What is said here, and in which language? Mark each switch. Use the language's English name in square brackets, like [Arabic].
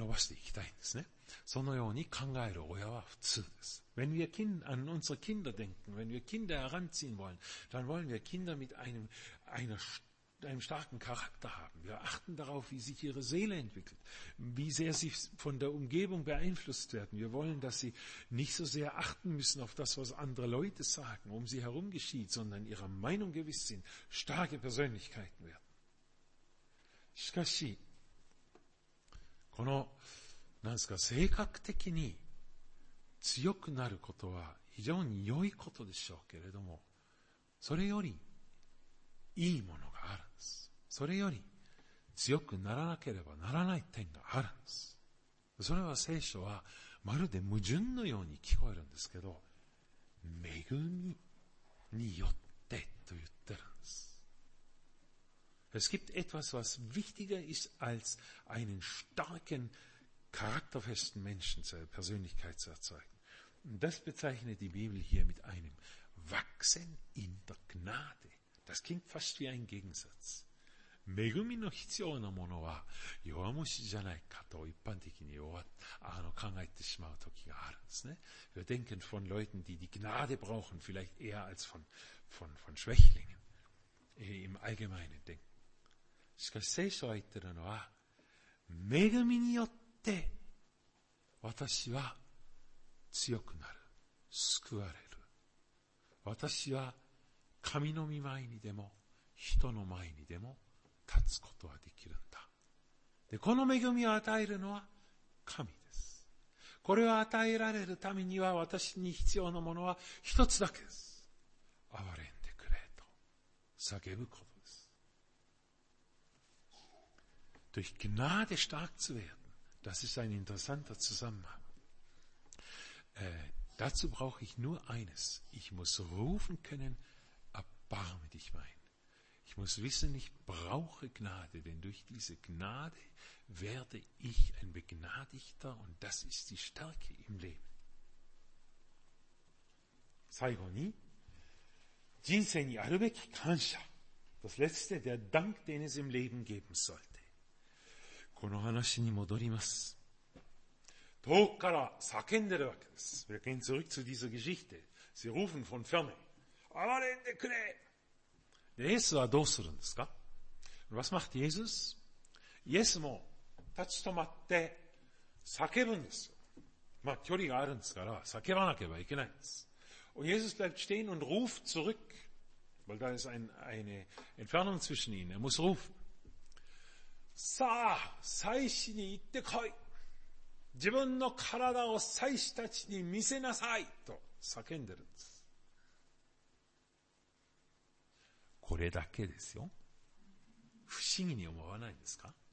[Japanese] 伸ばしていきたいんですね。そのように考える親は普通です。 [German] Wenn wir an unsere Kinder denken, wenn wir Kinder heranziehen wollen, dann wollen wir Kinder mit einem starken Charakter haben. Wir achten darauf, wie sich ihre Seele entwickelt, wie sehr sie von der Umgebung beeinflusst werden. Wir wollen, dass sie nicht so sehr achten müssen auf das, was andere Leute sagen, um sie herum geschieht, sondern ihrer Meinung gewiss sind, starke Persönlichkeiten werden. [Japanese] しかし、この、なんですか、性格的に強くなることは非常に良いことでしょうけれども、それよりいいものがあるんです。それより強くならなければならない点があるんです。それは聖書はまるで矛盾のように聞こえるんですけど、恵みによってと言ってるんです。 [German] Es gibt etwas, was wichtiger ist als einen starken, charakterfesten Menschen zur Persönlichkeit zu erzeugen. Und das bezeichnet die Bibel hier mit einem Wachsen in der Gnade. Das klingt fast wie ein Gegensatz. [Japanese] 恵みの必要なものは弱虫じゃないかと一般的に考えてしまう時があるんですね。 [German] Wir denken von Leuten, die die Gnade brauchen, vielleicht eher als von Schwächlingen im Allgemeinen denken. [Japanese] しかし聖書は言ってるのは、恵みによって私は強くなる、救われる。私は神の御前にでも人の前にでも立つことはできるんだ。で、この恵みを与えるのは神です。これを与えられるためには私に必要なものは一つだけです。憐れんでくれと叫ぶことです。 [German] Durch Gnade stark zu werden, das ist ein interessanter Zusammenhang. Dazu brauche ich nur eines. Ich muss rufen können,Barme dich mein. Ich muss wissen, ich brauche Gnade, denn durch diese Gnade werde ich ein Begnadigter und das ist die Stärke im Leben. [Japanese] 最後に、人生にあるべき感謝。 [German] Das letzte, der Dank, den es im Leben geben sollte. [Japanese] この話に戻ります。遠くから叫んでるわけです。 [German] Wir gehen zurück zu dieser Geschichte. Sie rufen von ferne. [Japanese] 憐れんでくれ。イエスはどうするんですか。 [German] Was macht Jesus? [Japanese] イエスも立ち止まって叫ぶんですよ。まあ距離があるんですから叫ばなければいけないんです。 [German] Und Jesus bleibt stehen und ruft zurück, weil da ist eine Entfernung zwischen ihnen. Er muss rufen. [Japanese] さあ、祭司に行ってこい。自分の体を祭司たちに見せなさいと叫んでるんです。これだけですよ。不思議に思わないんですか？